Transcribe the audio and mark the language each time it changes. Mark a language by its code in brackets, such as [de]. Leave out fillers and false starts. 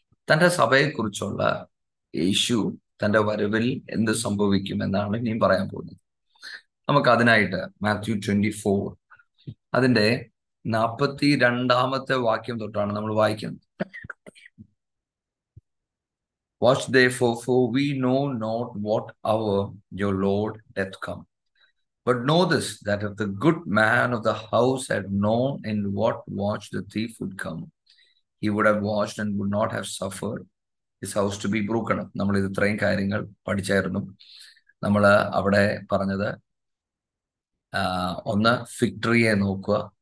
[ml] തൻ്റെ സഭയെക്കുറിച്ചുള്ള യേശു തൻ്റെ വരവിൽ എന്ത് സംഭവിക്കും എന്നാണ് ഇനിയും പറയാൻ പോകുന്നത്. നമുക്ക് അതിനായിട്ട് മാത്യു 24 അതിൻ്റെ 42 വാക്യം തൊട്ടാണ് നമ്മൾ വായിക്കുന്നത്. [en] Watch therefore, for we know not what hour your Lord doth come. But know this, that if the good man of the house had known in what watch the thief would come, he would have watched and would not have suffered his house to be broken up. [ml] നമ്മൾ ഇത്രയും കാര്യങ്ങൾ പഠിച്ചായിരുന്നു. നമ്മൾ അവിടെ പറഞ്ഞത് ഒന്ന്, ഫിക് ട്രീയെ നോക്കുക.